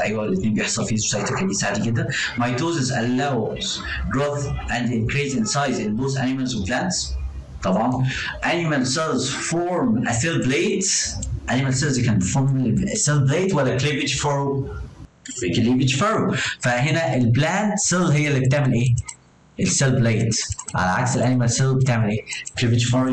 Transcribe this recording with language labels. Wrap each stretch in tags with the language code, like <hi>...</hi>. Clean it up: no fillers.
<ar>ايوه الاثنين بيحصل فيه cytokinesis عادي جدا.</ar> <en>mitosis allows growth and increase in size in both animals and plants. طبعا animal cells form a cell plate. animal cells can form a cell plate ولا cleavage furrow. cleavage furrow.</en> <ar>فهنا ال plant cell هي اللي بتعمل ايه؟ ال cell plate. على عكس ال animal cell بتعمل ايه؟ cleavage furrow.</ar>